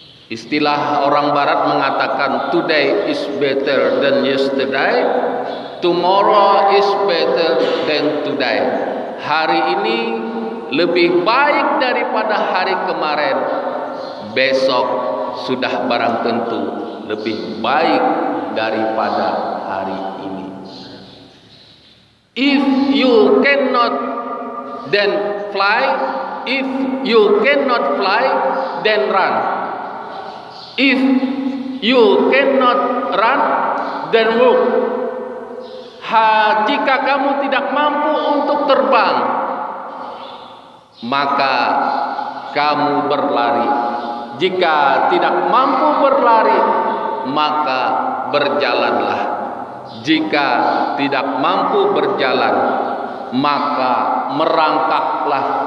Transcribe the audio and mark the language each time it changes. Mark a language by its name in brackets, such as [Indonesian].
[Indonesian] Istilah orang barat mengatakan, [English] today is better than yesterday, tomorrow is better than today. [Indonesian] Hari ini lebih baik daripada hari kemarin, besok sudah barang tentu lebih baik daripada hari ini. [English] If you cannot then fly, if you cannot fly then run, if you cannot run then walk. [Indonesian] Jika kamu tidak mampu untuk terbang, maka kamu berlari. Jika tidak mampu berlari, maka berjalanlah. Jika tidak mampu berjalan, maka merangkaklah.